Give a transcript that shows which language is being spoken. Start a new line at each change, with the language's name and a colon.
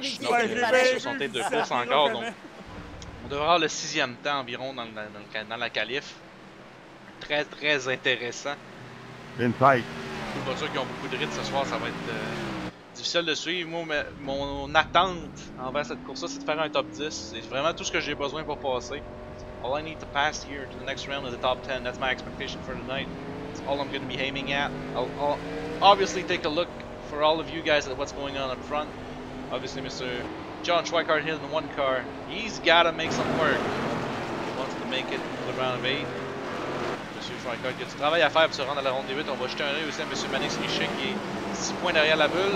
French: Je suis sur son tape de course encore. Donc, on devrait avoir le 6e temps environ dans la calife. Très, très intéressant. Une fight. Pas sûr qu'ils ont beaucoup de rythme ce soir, ça va être difficile de suivre. Moi, mon attente envers cette course-là, c'est de faire un top 10. C'est vraiment tout ce que j'ai besoin pour passer.
English: All I need to pass here to the next round is the top 10. That's my expectation for tonight. That's all I'm going to be aiming at. I'll obviously take a look for all of you guys at what's going on up front. Obviously, Mr. John Schweikart hit in the one car. He's got to make some work. He wants to make it to the round of 8.
French: Il y a du travail à faire pour se rendre à la ronde des 8. On va jeter un œil aussi à M. Manix Richer qui est 6 points derrière la bulle.